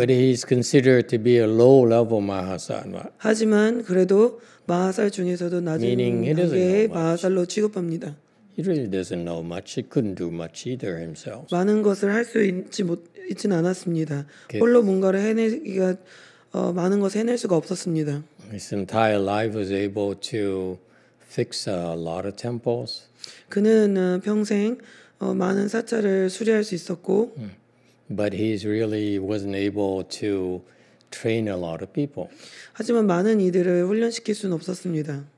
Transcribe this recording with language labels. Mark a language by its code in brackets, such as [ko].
[en] But he is considered to be a low level Mahasattva. [ko] 하지만 그래도 마하살 중에서도 낮은 단계의 마하살로 취급합니다. [en] He really doesn't know much. He couldn't do much either himself. [ko] 많은 것을 할 수 있진 않았습니다. 홀로 뭔가를 해내기가 많은 것을 해낼 수가 없었습니다. [en] His entire life was able to fix a lot of temples. [ko] 그는 평생 많은 사찰을 수리할 수 있었고. [en] But he really wasn't able to train a lot of people. [ko] 하지만 많은 이들을 훈련시킬 수는 없었습니다.